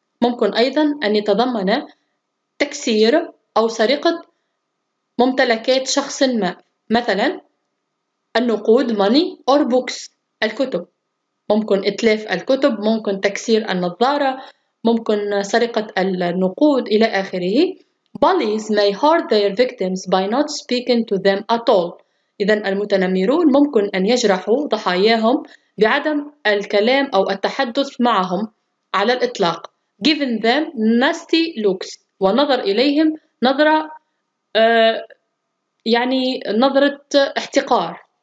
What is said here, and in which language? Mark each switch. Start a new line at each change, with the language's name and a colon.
Arabic: ممكن أيضا أن يتضمن تكسير أو سرقة ممتلكات شخص ما، مثلا النقود
English: money or books
Arabic: الكتب. ممكن إتلاف الكتب، ممكن تكسير النظارة، ممكن سرقة النقود إلى آخره.
English: Bullies may hurt their victims by not speaking to them at all.
Arabic: إذن المتنمرون ممكن أن يجرحوا ضحاياهم بعدم الكلام أو التحدث معهم على الإطلاق.
English: Giving them nasty looks.
Arabic: ونظر إليهم نظرة يعني نظرة احتقار.